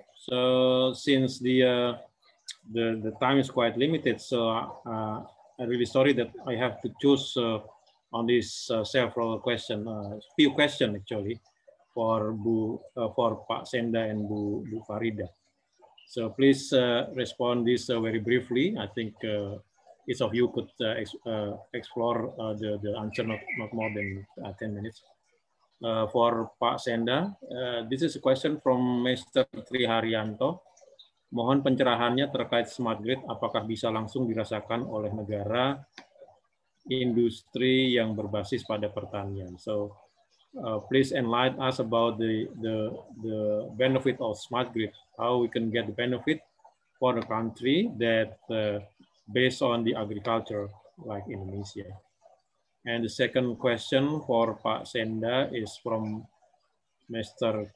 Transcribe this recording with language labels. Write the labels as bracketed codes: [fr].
[en] So, since the time is quite limited, so I'm really sorry that I have to choose on this several question, few questions actually, for Bu, for Pak Senda and Bu Farida. So please respond this very briefly. I think each of you could explore the answer not more than 10 minutes. For Pak Senda, this is a question from Mr. Tri Haryanto. [id] Mohon pencerahannya terkait smart grid, apakah bisa langsung dirasakan oleh negara industri yang berbasis pada pertanian. [en] So please enlighten us about the benefit of smart grid. How we can get the benefit for a country that based on the agriculture like Indonesia. And the second question for Pak Senda is from Mr.